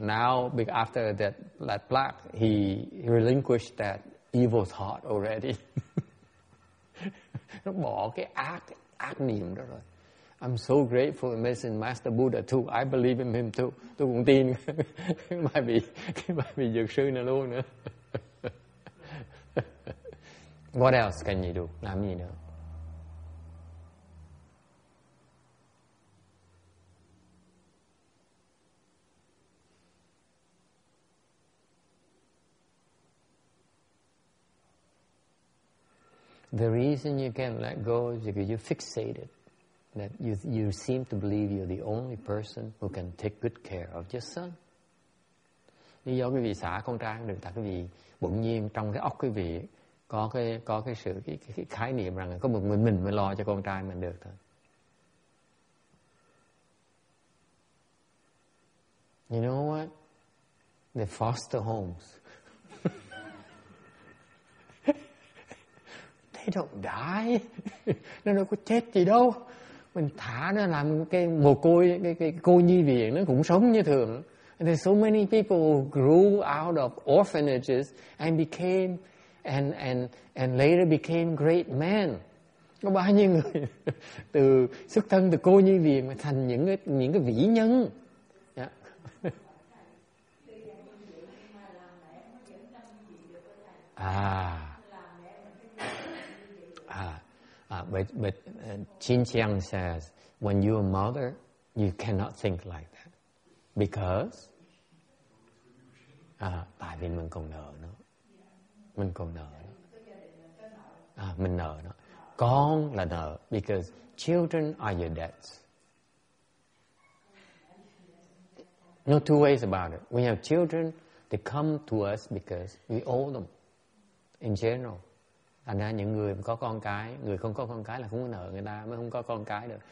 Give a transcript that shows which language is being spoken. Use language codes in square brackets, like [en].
[en] Now, after that plaque, he relinquished that evil thought already. [vi] Nó bỏ cái ác niệm đó rồi. [en] I'm so grateful for Medicine Master Buddha too. I believe in him too. [vi] Tôi cũng tin cái bài vị dược sư này luôn nữa. [en] What else can you do? [vi] Làm gì nữa? [en] The reason you can't let go is because you're fixated. That you seem to believe you're the only person who can take good care of your son. [vi] Lý do quý vị xả con trai được tại quý vị bỗng nhiên trong cái óc quý vị có cái khái niệm rằng có một mình mới lo cho con trai mình được thôi. [en] You know what? The foster homes. They don't die. [vi] Nó đâu có chết gì đâu. Mình thả nó làm cái mồ côi, cái cô nhi viện, nó cũng sống như thường. [en] And there's so many people grew out of orphanages and became and later became great men. [vi] Có bao nhiêu người từ xuất thân từ cô nhi viện mà thành những cái vĩ nhân. [en] Yeah. But Chin Chiang says, when you're a mother, you cannot think like that. Because? [vi] Tại vì mình còn nợ nó. Mình còn nợ nó. Mình nợ nó. Con là nợ. [en] Because children are your debts. No two ways about it. We have children, they come to us because we owe them. In general. [vi] Thành ra những người có con cái, người không có con cái là không có nợ người ta, mới không có con cái được.